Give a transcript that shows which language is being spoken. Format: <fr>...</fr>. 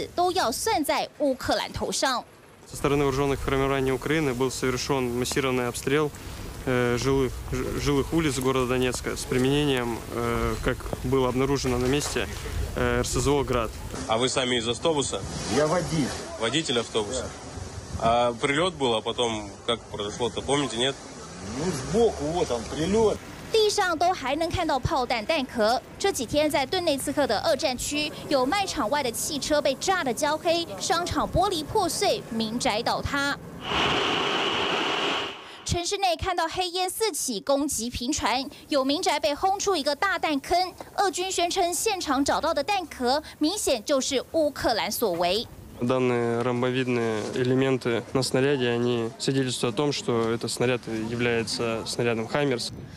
<zh>一辆客运小巴烧得焦黑，只剩下车架。俄罗斯称，造成至少7死，都要算在乌克兰头上。</zh> <ru>Со стороны вооруженных формирований Украины был совершен массированный обстрел жилых улиц города Донецка с применением, как было обнаружено на месте, РСЗО «Град». А вы сами из автобуса? Я водитель. Водитель автобуса? Да. А прилет был, а потом как произошло-то, помните, нет? Ну, сбоку, вот он, прилет.</ru> <zh>地上都还能看到炮弹弹壳，这几天在顿内茨克的二战区，有卖场外的汽车被炸得焦黑，商场玻璃破碎，民宅倒塌。城市内看到黑烟四起，攻击频传，有民宅被轰出一个大弹坑。俄军宣称，现场找到的弹壳明显就是乌克兰所为。</zh> <ru>Данные ромбовидные элементы на снаряде, они свидетельствуют о том, что этот снаряд является снарядом «Хаймерс».</ru>